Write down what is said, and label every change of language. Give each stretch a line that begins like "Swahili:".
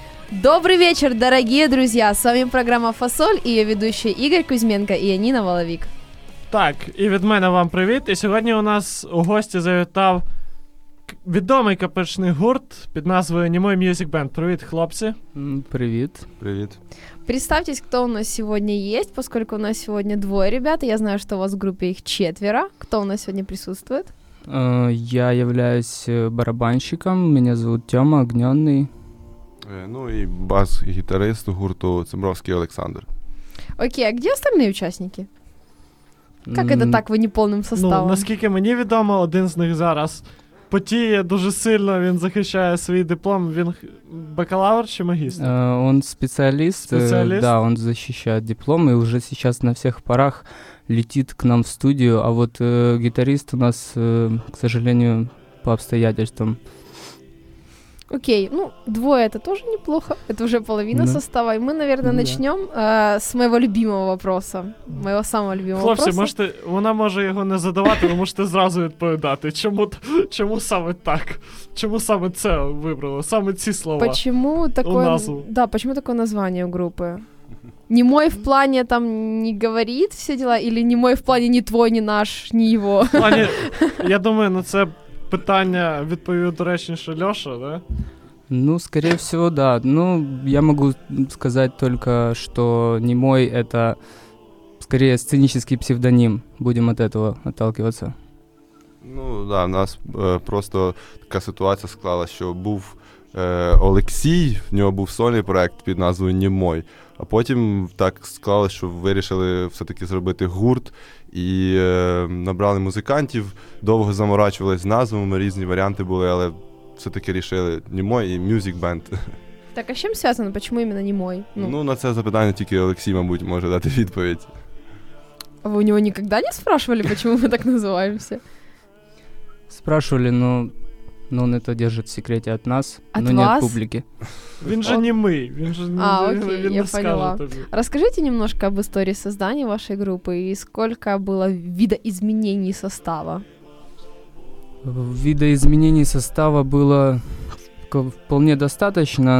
Russian: Добрый вечер, дорогие друзья! С вами программа «Фасоль» и ее ведущие Игорь Кузьменко и Яніна Воловік.
Ukrainian: Так, і від мене вам привіт. І сьогодні у нас у гості завітав відомий каперчний гурт під назвою «Німой Мьюзік Бенд». Привіт, хлопці! Привіт! Привіт!
Russian: Представьтесь, кто у нас сегодня есть, поскольку у нас сегодня двое ребят, я знаю, что у вас в группе их четверо. Кто у нас сегодня присутствует? Я являюсь барабанщиком, меня зовут Тёма Огнённый. Ну и бас-гитарист гурту Цимровский Александр. Окей, а где остальные участники? Как это так, вы не полным составом? Ну, насколько мне известно, один из них сейчас
Ukrainian: потіє дуже сильно, він захищає свій диплом. Він бакалавр чи магістр? Он спеціаліст. Спеціаліст? Да, он защищає диплом і вже зараз на всіх парах летить к нам в студію. А от гітарист у нас,
Russian: к сожалению, по обстоятельствам.
Ukrainian: Окей, ну, двоє – це теж неплохо. Це вже половина состава. І ми, мабуть, почнемо з моєго любимого питання. Моєго самого любимого питання. Хлопці, можете, вона може його не задавати, ви можете зразу відповідати. Чому саме так? Чому саме це вибрало? Саме ці слова.
Russian: Почему такое,
Ukrainian: у назву.
Russian: Да, почему такое название у группы? Не мой в плане там не говорит все дела? Или не мой в плане не твой, не наш, не его? В плане, я думаю, ну це...
Ukrainian: Питання відповів речніше Льоша, да?
Russian: Ну, скорее всего, да. Ну, я могу сказать только, что Немой — это скорее сценический псевдоним. Будем от этого отталкиваться.
Ukrainian: Ну, да, у нас просто така ситуація склалась, що був Олексій, в нього був сольний проект під назвою Немой. А потім так склалось, що вирішили все-таки зробити гурт і набрали музикантів, довго заморачувались з назвами, різні варіанти були, але все-таки рішили Немой і Мюзик Бенд. Так, а з чим зв'язано? Чому іменно Немой? Ну, на це запитання тільки Олексій, мабуть, може дати відповідь. А ви у нього ніколи не спрашували, чому ми так називаємося? Спрашували, ну...
Russian: Ну, он это держит в секрете от нас, от но вас? Не от публики.
Ukrainian: Він же не мы, він же не
Russian: окей, я поняла. Расскажите немножко об истории создания вашей группы и сколько было видоизменений состава? Видоизменений состава было вполне достаточно.